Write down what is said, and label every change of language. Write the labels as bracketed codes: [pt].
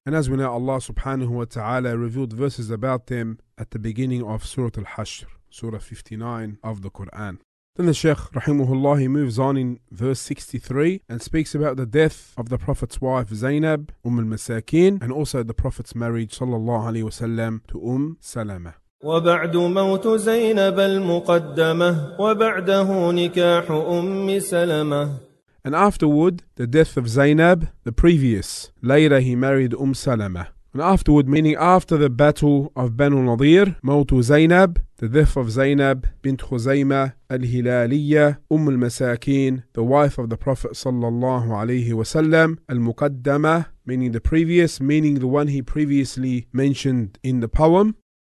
[en] And as we know, Allah subhanahu wa ta'ala revealed verses about them at the beginning of Surah Al-Hashr, Surah 59 of the Quran. Then the Shaykh rahimahullah, he moves on in verse 63 and speaks about the death of the Prophet's wife Zainab, al-Masakin, and also the Prophet's marriage sallallahu alayhi wasallam to Salama. [ar] وبعد موت زينب المقدمة وبعده نكاح سلمة. [en] And afterward, the death of Zainab, the previous. Later, he married Salama. And afterward, meaning after the battle of Banu Nadir, [ar] موت زينب, [en] the death of Zainab bint Khuzaima al-Hilaliyya, al-Masakin, the wife of the Prophet sallallahu alayhi wasallam, al-Muqaddama, meaning the previous, meaning the one he previously mentioned in the poem.